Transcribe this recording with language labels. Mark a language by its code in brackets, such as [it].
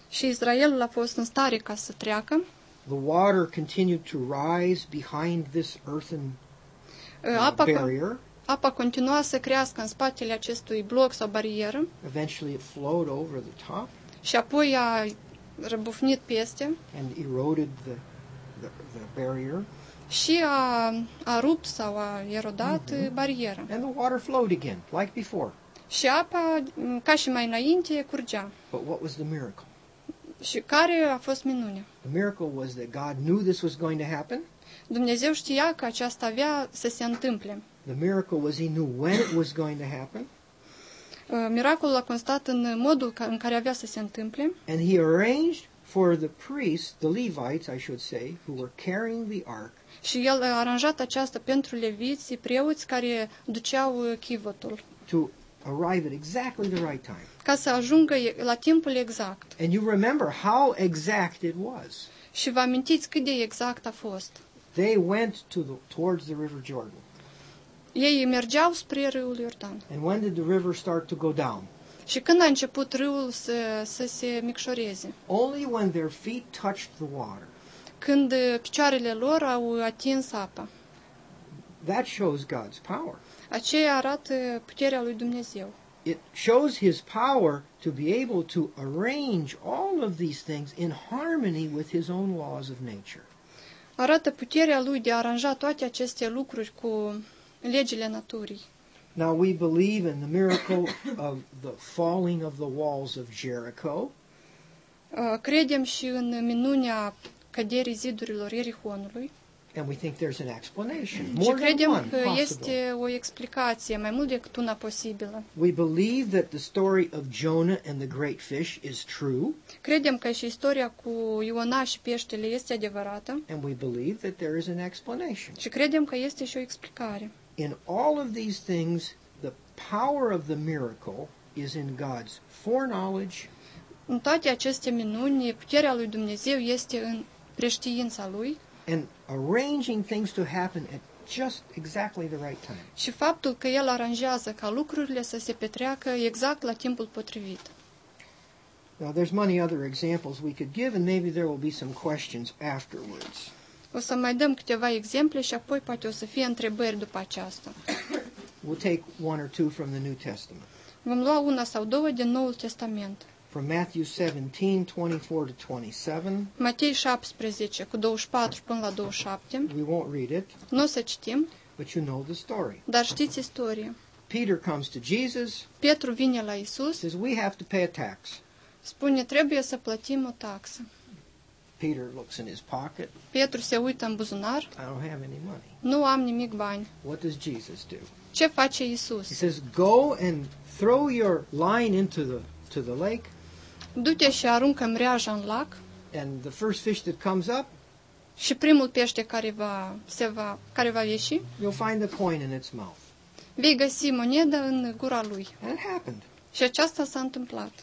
[ro] Și Israelul a fost în stare ca să treacă. [en] The water continued to rise behind this earthen barrier. [ro] Apa continua să crească în spatele acestui bloc sau barieră. [en] Eventually it flowed over the top. [ro] Și apoi a răbufnit peste. [en] And eroded the barrier. [ro] Și a rupt sau a erodat bariera. [en] And the water flowed again, like before. [ro] Și apa, ca și mai înainte, curgea. [en] But what was the miracle? [ro] Și care a fost minunea? [en] The miracle was that God knew this was going to happen. [ro] Dumnezeu știa că aceasta avea să se întâmple. [en] The miracle was he knew when it was going to happen. [ro] Miracolul a constat în modul în care avea să se întâmple. [en] And he arranged for the priests, the Levites, I should say, who were carrying the ark. [ro] Și el a aranjat aceasta pentru leviți, preoți care duceau chivotul. [en] To arrive at exactly the right time. [ro] Ca să ajungă la timpul exact. [en] And you remember how exact it was. [ro] Și vă amintiți cât de exact a fost. [en] They went towards the River Jordan. [ro] Ei mergeau spre râul Iordan. [en] And when did the river start to go down? [ro] Și când a început râul să se micșoreze? [en] Only when their feet touched the water. [ro] Când picioarele lor au atins apa. [en] That shows God's power. [ro] Aceea arată puterea lui Dumnezeu. [en] It shows his power to be able to arrange all of these things in harmony with his own laws of nature. [ro] Arată puterea lui de a aranja toate aceste lucruri cu legile naturii. [en] Now we believe in the miracle of the falling of the walls of Jericho. [ro] Credem și în minunea căderii zidurilor Ierihonului. [en] And we think there's an explanation. More than one possible. [ro] Și credem că este o explicație mai mult decât una posibilă. [en] We believe that the story of Jonah and the great fish is true. [ro] Credem că și istoria cu Iona și peștele este adevărată. [en] And we believe that there is an explanation. [ro] Și credem că este și o explicare. [en] In all of these things, the power of the miracle is in God's foreknowledge. [ro] În toate aceste minuni, puterea lui Dumnezeu este în preștiința lui. [en] And arranging things to happen at just exactly the right time. [ro] Și faptul că el aranjează ca lucrurile să se petreacă exact la timpul potrivit. [en] Now there's many other examples we could give and maybe there will be some questions afterwards. [ro] O să mai dăm câteva exemple și apoi poate o să fie întrebări după aceasta. [en] We'll take one or two from the New Testament. [ro] Vom lua una sau două din Noul Testament. [en] From Matthew 17:24-27. [ro] Matei 17 cu 24 până la 27. [en] We won't read it. [ro] N-o să citim. [en] But you know the story. [ro] Dar știți istoria. [en] Peter comes to Jesus. [ro] Petru vine la Isus. [en] Says we have to pay a tax. [ro] Spune trebuie să plătim o taxă. [en] Peter looks in his pocket. [ro] Petru se uită în buzunar. [en] I don't have any money. [ro] Nu am nimic bani. [en] What does Jesus do? [ro] Ce face Isus? [en] He says, "Go and throw your line into the lake." [ro] Du-te și aruncă mreaja în lac. [en] And the first fish that comes up. [ro] Și primul pește care va se va care va ieși. [en] You'll find the coin in its mouth. [ro] Vei găsi moneda în gura lui. [en] And it happened. [ro] Și aceasta s-a întâmplat.